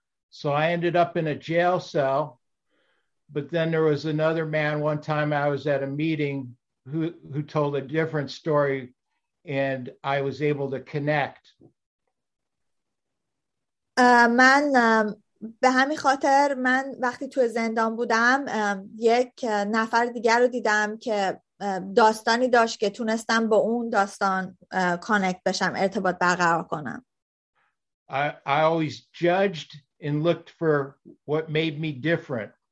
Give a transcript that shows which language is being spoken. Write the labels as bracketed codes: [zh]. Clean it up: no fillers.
[en] So I ended up in a jail cell, but then there was another man one time I was at a meeting who told a different story and I was able to connect. [fa] من به همین خاطر من وقتی تو زندان بودم یک نفر دیگر رو دیدم که داستانی داشت که تونستم با اون داستان کانکت بشم، ارتباط برقرار کنم. [en] I always judged and looked for what made me different.